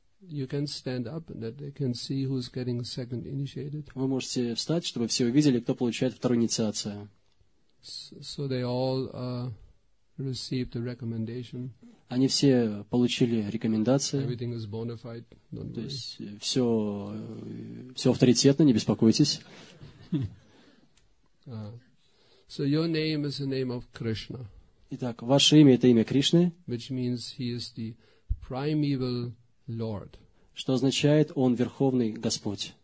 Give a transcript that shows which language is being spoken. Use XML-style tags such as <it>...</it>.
<en>You can stand up that they can see who's getting second initiated.</en> <ru>Вы можете встать, чтобы все увидели, кто получает вторую инициацию.</ru> <en>So they all received a recommendation.</en> <ru>Они все получили рекомендации.</ru> <en>Everything is bona fide. Don't worry.</en> <ru>То есть все авторитетно, не беспокойтесь.</ru> <en>So your name is the name of Krishna.</en> <ru>Итак, ваше имя это имя Кришны.</ru> <en>Which means he is the primeval Lord.</en> <ru>Что означает он верховный Господь?</ru>